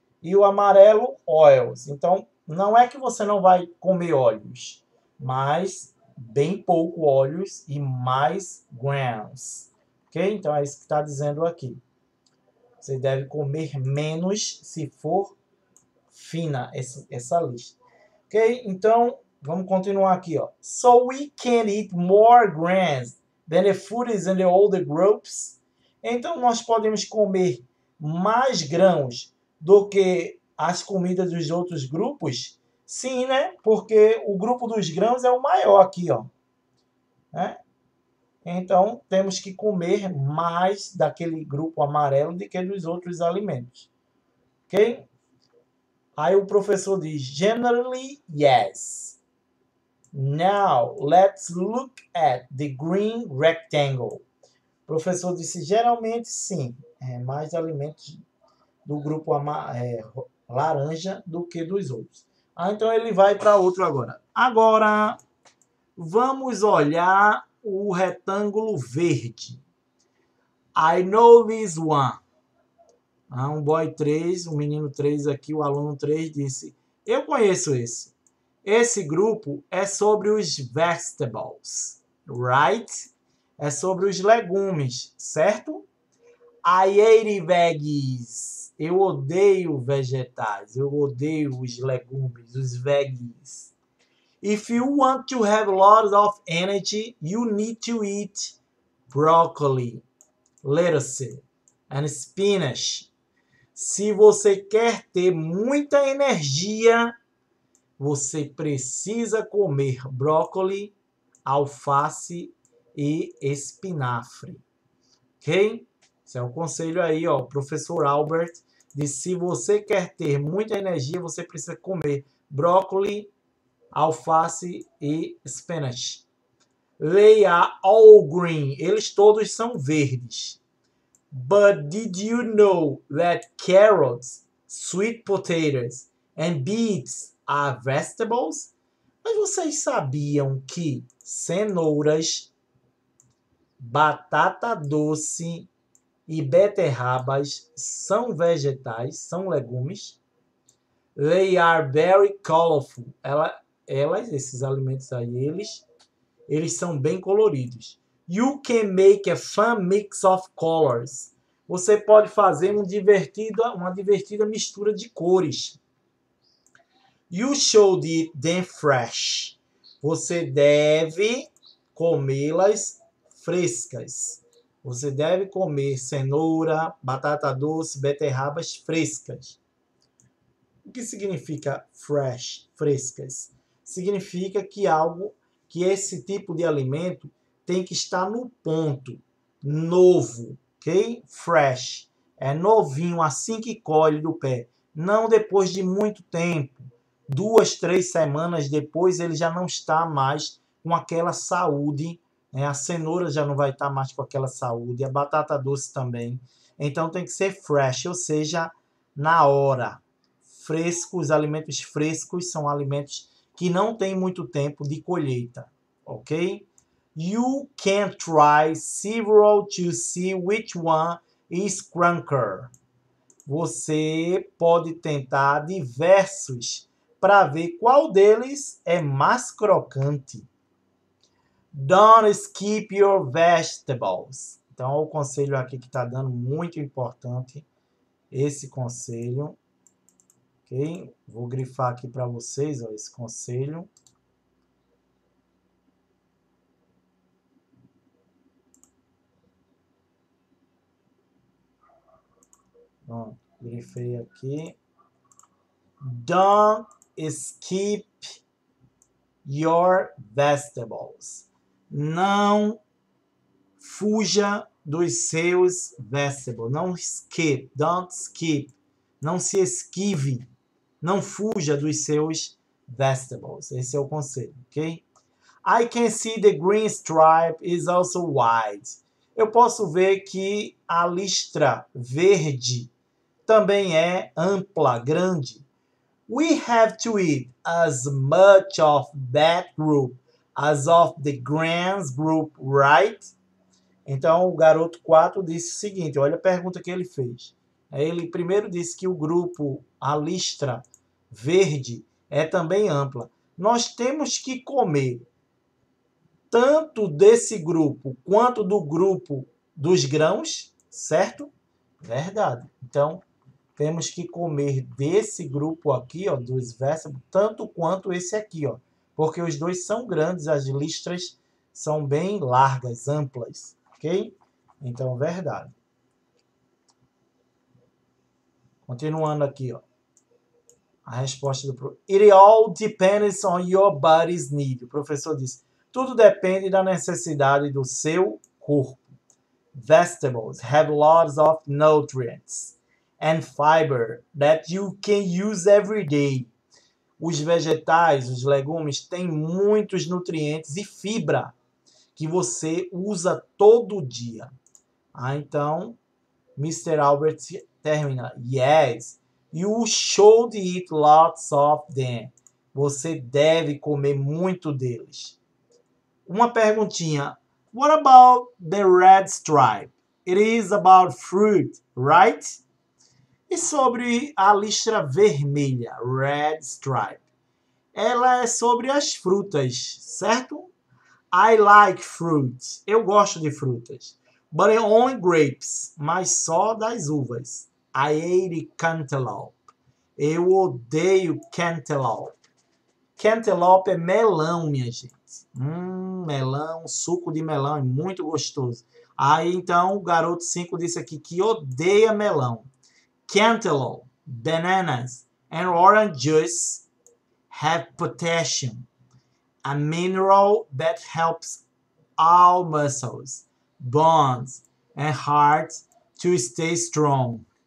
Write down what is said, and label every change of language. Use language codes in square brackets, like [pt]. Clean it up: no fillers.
[pt] E o amarelo, oils. Então, não é que você não vai comer óleos, mas bem pouco óleos e mais grams. Ok? Então, é isso que está dizendo aqui. Você deve comer menos se for fina essa lista. Ok? Então, vamos continuar aqui, ó. [en] So we can eat more grams than the foods in the older groups. [pt] Então, nós podemos comer mais grãos do que as comidas dos outros grupos? Sim, né? Porque o grupo dos grãos é o maior aqui, ó. Né? Então, temos que comer mais daquele grupo amarelo do que dos outros alimentos. Ok? Aí o professor diz: [en] Generally, yes. Now, let's look at the green rectangle. [pt] O professor disse, geralmente sim, é mais alimentos do grupo laranja do que dos outros. Ah, então ele vai para outro agora. Agora, vamos olhar o retângulo verde. [en] I know this one. [pt] Ah, um boy 3, um menino 3 aqui, o aluno 3 disse, eu conheço esse. Esse grupo é sobre os vegetables, right? É sobre os legumes, certo? [en] I hate veggies. [pt] Eu odeio vegetais. Eu odeio os legumes, os veggies. [en] If you want to have lots of energy, you need to eat broccoli, lettuce, and spinach. [pt] Se você quer ter muita energia, você precisa comer brócoli, alface e espinafre. Ok? Esse é o conselho aí, ó. O professor Albert disse: se você quer ter muita energia, você precisa comer brócoli, alface e spinach. [en] They are all green. [pt] Eles todos são verdes. [en] But did you know that carrots, sweet potatoes and beets are vegetables? [pt] Mas vocês sabiam que cenouras, batata doce e beterrabas são vegetais, são legumes. [en] They are very colorful. [pt] Esses alimentos aí, eles são bem coloridos. [en] You can make a fun mix of colors. [pt] Você pode fazer uma divertida mistura de cores. You should eat them fresh. Você deve comê-las frescas. Você deve comer cenoura, batata doce, beterrabas frescas. O que significa fresh, frescas? Significa que algo, que esse tipo de alimento tem que estar no ponto, novo, ok? Fresh é novinho, assim que colhe do pé, não depois de muito tempo. 2, 3 semanas depois ele já não está mais com aquela saúde. A cenoura já não vai estar mais com aquela saúde, a batata doce também. Então tem que ser fresh, ou seja, na hora. Frescos, alimentos frescos são alimentos que não têm muito tempo de colheita, ok? [en] You can try several to see which one is cranker. [pt] Você pode tentar diversos para ver qual deles é mais crocante. [en] Don't skip your vegetables. [pt] Então, o conselho aqui que está dando muito importante esse conselho. Ok? Vou grifar aqui para vocês, ó, esse conselho. Pronto, grifei aqui. [en] Don't skip your vegetables. [pt] Não fuja dos seus vegetables. Não skip. [en] Don't skip. [pt] Não se esquive. Não fuja dos seus vegetables. Esse é o conselho, ok? [en] I can see the green stripe is also white. [pt] Eu posso ver que a listra verde também é ampla, grande. [en] We have to eat as much of that group as of the grand group, right? [pt] Então, o garoto 4 disse o seguinte, olha a pergunta que ele fez. Ele primeiro disse que o grupo, a listra verde, é também ampla. Nós temos que comer tanto desse grupo quanto do grupo dos grãos, certo? Verdade. Então, temos que comer desse grupo aqui, ó, dos vegetables, tanto quanto esse aqui, ó, porque os dois são grandes, as listras são bem largas, amplas, ok? Então, verdade. Continuando aqui, ó, a resposta do professor. [en] It all depends on your body's need. [pt] O professor disse, tudo depende da necessidade do seu corpo. [en] Vegetables have lots of nutrients and fiber that you can use every day. [pt] Os vegetais, os legumes, têm muitos nutrientes e fibra que você usa todo dia. Ah, então, Mr. Albert termina. [en] Yes, you should eat lots of them. [pt] Você deve comer muito deles. Uma perguntinha. [en] What about the red stripe? It is about fruit, right? [pt] E sobre a listra vermelha, [en] red stripe? [pt] Ela é sobre as frutas, certo? [en] I like fruits. [pt] Eu gosto de frutas. [en] But only grapes. [pt] Mas só das uvas. [en] I hate cantaloupe. [pt] Eu odeio cantaloupe. Cantaloupe é melão, minha gente. Melão, suco de melão. É muito gostoso. Aí então o garoto 5 disse aqui que odeia melão. [en] Cantaloupe, bananas and orange juice have potassium, a mineral that helps all muscles, bones and heart to stay strong.